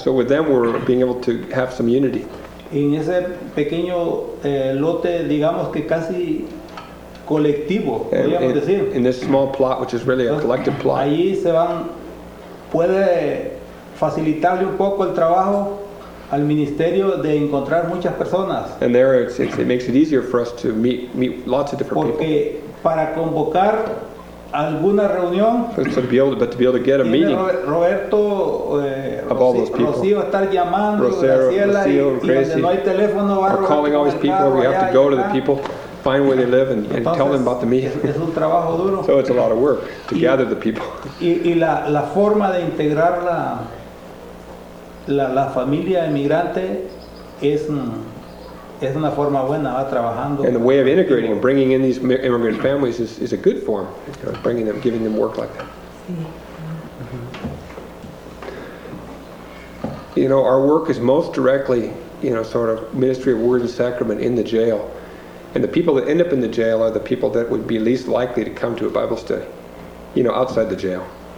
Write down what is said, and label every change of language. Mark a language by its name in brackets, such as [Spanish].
[English] So with them we're being able to have some unity. [Spanish] En ese pequeño lote, digamos que casi colectivo, podríamos decir. [English] In this small plot, which is really a collective plot. [Spanish] Allí se van, puede facilitarle un poco el trabajo al ministerio de encontrar muchas personas. [English] And there it makes it easier for us to meet lots of different [Spanish] porque [English] people. [Spanish] Porque para convocar alguna reunión, [English] to be able to get a meeting [Spanish] Roberto, Rocío estar llamando, Rosero, Graciela, Rocio, y Gracie, donde no hay teléfono, [English] or calling all these people, we have to go to the people, find where they live and [Spanish] entonces, [English] tell them about the meeting. [Spanish] Es un trabajo duro. [English] So it's a lot of work to gather the people. [Spanish] Y la forma de integrar la familia emigrante es una forma buena, va trabajando. [English] And the way of integrating and bringing in these immigrant families is a good form, you know, bringing them, giving them work like that. Mm-hmm. You know, our work is most directly, you know, sort of ministry of word and sacrament in the jail. And the people that end up in the jail are the people that would be least likely to come to a Bible study, you know, outside the jail.